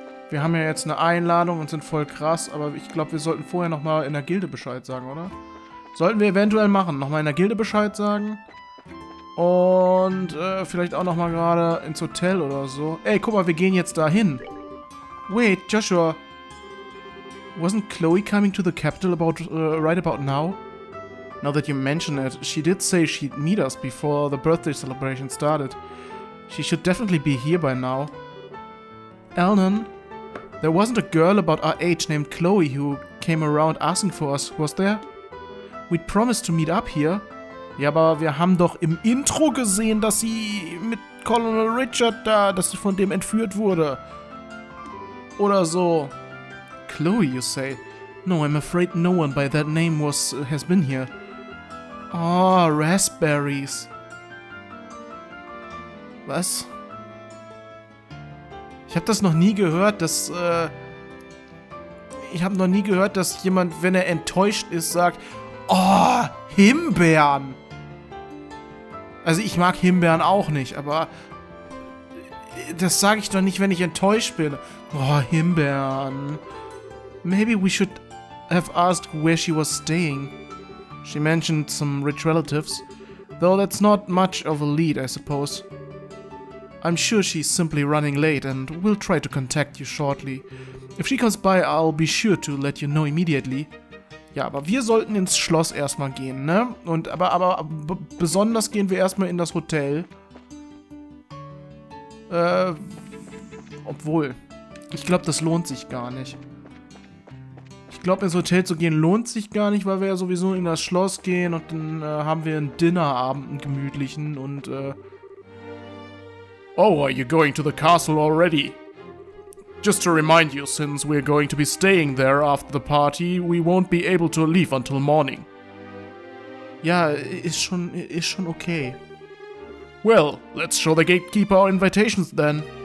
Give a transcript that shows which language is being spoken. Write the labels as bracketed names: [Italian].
[German] Wir haben ja jetzt eine Einladung und sind voll krass, aber ich glaube, wir sollten vorher nochmal in der Gilde Bescheid sagen, oder? Sollten wir eventuell machen. Nochmal in der Gilde Bescheid sagen. Und vielleicht auch nochmal gerade ins Hotel oder so. Ey, guck mal, wir gehen jetzt dahin. [English] Wait, Joshua. Wasn't Chloe coming to the capital about right about now? Now that you mention it, she did say she'd meet us before the birthday celebration started. She should definitely be here by now. Elnan, there wasn't a girl about our age named Chloe who came around asking for us, was there? We'd promised to meet up here. [German] Ja, aber wir haben doch im Intro gesehen, dass sie mit Colonel Richard da, dass sie von dem entführt wurde. Oder so. [English] Chloe, you say? No, I'm afraid no one by that name has been here. Oh, raspberries. [German] Was? Ich habe das noch nie gehört, dass... ich habe noch nie gehört, dass jemand, wenn er enttäuscht ist, sagt... Oh, Himbeeren! Also ich mag Himbeeren auch nicht, aber... Das sage ich doch nicht, wenn ich enttäuscht bin. Oh, Himbeeren. [English] Maybe we should have asked where she was staying. She mentioned some rich relatives. Though that's not much of a lead, I suppose. I'm sure she's simply running late and we'll try to contact you shortly. If she comes by, I'll be sure to let you know immediately. [German] Ja, aber wir sollten ins Schloss erstmal gehen, ne? Und aber besonders gehen wir erstmal in das Hotel. Obwohl. Ich glaube, das lohnt sich gar nicht. Ich glaube, ins Hotel zu gehen lohnt sich gar nicht, weil wir ja sowieso in das Schloss gehen und dann haben wir einen Dinnerabend, einen gemütlichen und [English] Oh, are you going to the castle already? Just to remind you, since we're going to be staying there after the party, we won't be able to leave until morning. [German] Ja, ist schon okay. [English] Well, let's show the gatekeeper our invitations then.